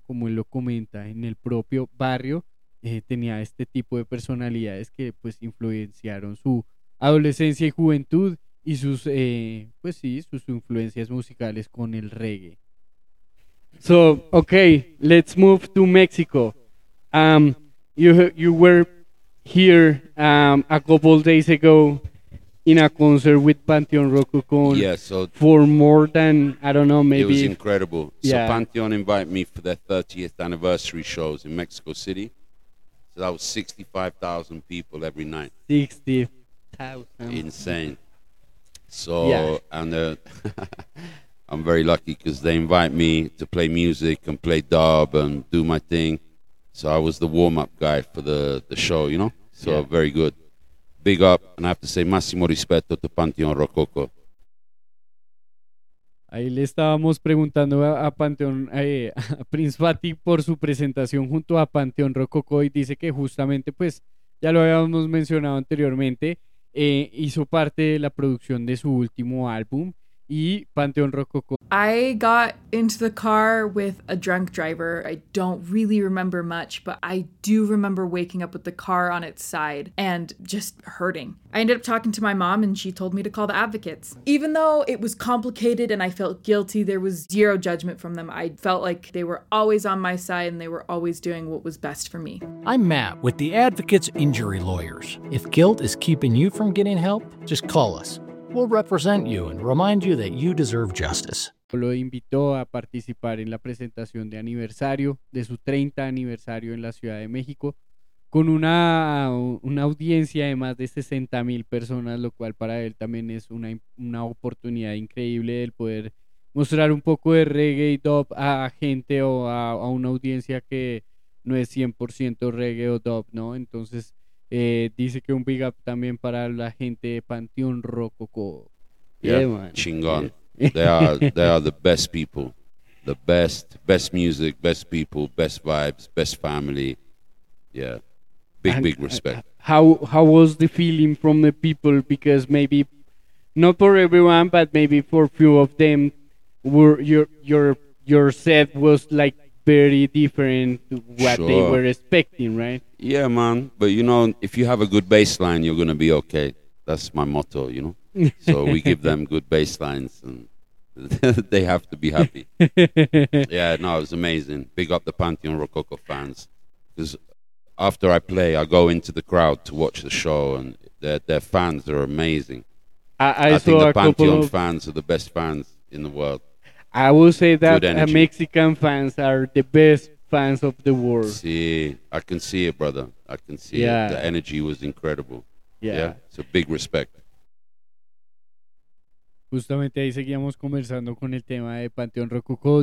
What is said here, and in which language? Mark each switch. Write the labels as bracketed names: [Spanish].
[Spanish] Como él lo comenta, en el propio barrio tenía este tipo de personalidades que pues influenciaron su adolescencia y juventud y sus, sus influencias musicales con el reggae. [English] So, okay, let's move to Mexico. You were here a couple days ago in a concert with Panteón Rococó. Yeah, so for more than, I don't know, maybe. It was incredible. Yeah. So Panteón invited me for their 30th anniversary shows in Mexico City. So that was 65,000 people every night. 60,000. Insane. So, yeah. And I'm very lucky because they invite me to play music and play dub and do my thing. So I was the warm-up guy for the show, you know? So yeah. Very good. Big up. And I have to say, [Italian] massimo rispetto [English] to Panteón Rococó. [Spanish] Ahí le estábamos preguntando a Panteón, a Prince Fatty por su presentación junto a Panteón Rococó, y dice que justamente, pues, ya lo habíamos mencionado anteriormente, hizo parte de la producción de su último álbum. Y Panteón Rococó. [English] I got into the car with a drunk driver. I don't really remember much, but I do remember waking up with the car on its side and just hurting. I ended up talking to my mom and she told me to call the advocates. Even though it was complicated and I felt guilty, there was zero judgment from them. I felt like they were always on my side and they were always doing what was best for me. I'm Matt with the Advocates Injury Lawyers. If guilt is keeping you from getting help, just call us. We'll represent you and remind you that you deserve justice. [Spanish] Lo invitó a participar en la presentación de aniversario de su 30 aniversario en la Ciudad de México con una audiencia de más de 60,000 personas, lo cual para él también es una oportunidad increíble del poder mostrar un poco de reggae y dub a gente o a una audiencia que no es 100% reggae o dub, ¿no? Entonces dice que un big up también para la gente de Panteón Rococó. [English] Yeah, man. Chingón. They are the best people. The best music, best people, best vibes, best family. Yeah. Big respect. How was the feeling from the people? Because maybe not for everyone, but maybe for a few of them, were your set was like very different to what they were expecting, right? Yeah, man. But, you know, if you have a good bass line, you're going to be okay. That's my motto, you know? So we give them good bass lines and they have to be happy. Yeah, no, it was amazing. Big up the Panteón Rococó fans. Because after I play, I go into the crowd to watch the show and their fans are amazing. I think the Panteón fans are the best fans in the world. I will say that Mexican fans are the best fans of the world. See, I can see it, brother. I can see it. The energy was incredible. Yeah. So big respect. [Spanish] justamente ahí seguíamos conversando con el tema de Panteón Rococó.